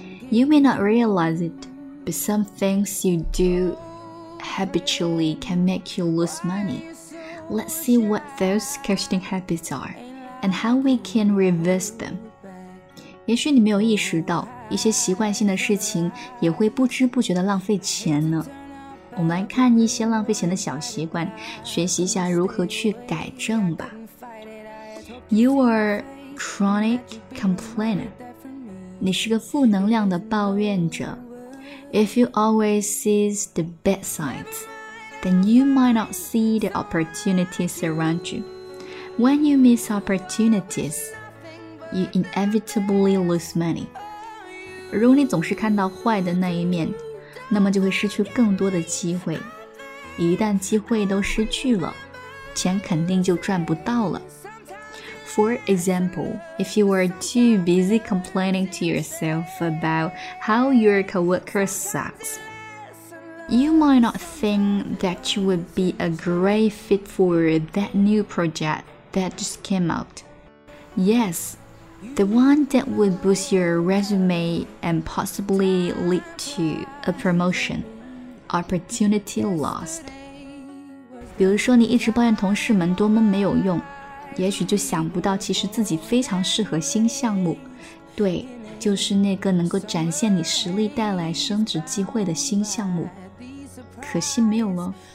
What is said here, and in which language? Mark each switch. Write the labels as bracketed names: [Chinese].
[English] You may not realize it, but some things you do habitually can make you lose money. Let's see what those costing habits are, and how we can reverse them. [Chinese] 也许你没有意识到，一些习惯性的事情也会不知不觉地浪费钱呢。我们来看一些浪费钱的小习惯，学习一下如何去改正吧。 [English] You are chronic complainer. [Chinese] 你是个负能量的抱怨者。 [English] If you always see the bad sides, then you might not see the opportunities around you. When you miss opportunities, you inevitably lose money. [Chinese] 如果你总是看到坏的那一面，那么就会失去更多的机会。一旦机会都失去了，钱肯定就赚不到了。 [English] For example, if you are too busy complaining to yourself about how your coworker sucks, you might not think that you would be a great fit for that new project that just came out. Yes, the one that would boost your resume and possibly lead to a promotion. Opportunity lost. [Chinese] 比如说你一直抱怨同事们多么没有用，也许就想不到其实自己非常适合新项目，对，就是那个能够展现你实力带来升职机会的新项目，可惜没有了。